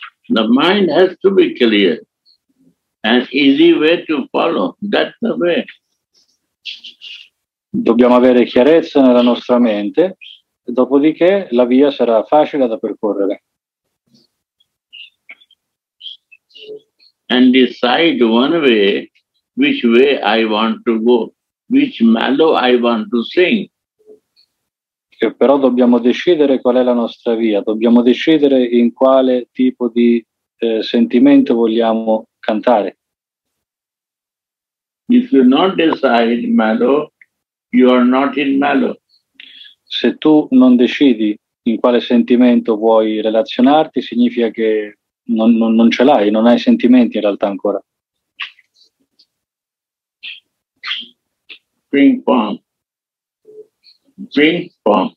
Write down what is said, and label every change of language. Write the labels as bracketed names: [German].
[English] The mind has to be clear, an easy way to follow, that's the way. [Italian] Dobbiamo avere chiarezza nella nostra mente, dopodiché la via sarà facile da percorrere. [English] And decide one way, which way I want to go, which mellow I want to sing. [Italian] Però dobbiamo decidere qual è la nostra via, dobbiamo decidere in quale tipo di sentimento vogliamo cantare. [English] If you not decide mellow, you are not in mellow. [Italian] Se tu non decidi in quale sentimento vuoi relazionarti, significa che non ce l'hai, non hai sentimenti in realtà ancora. [English] Ping pong. Ping pong.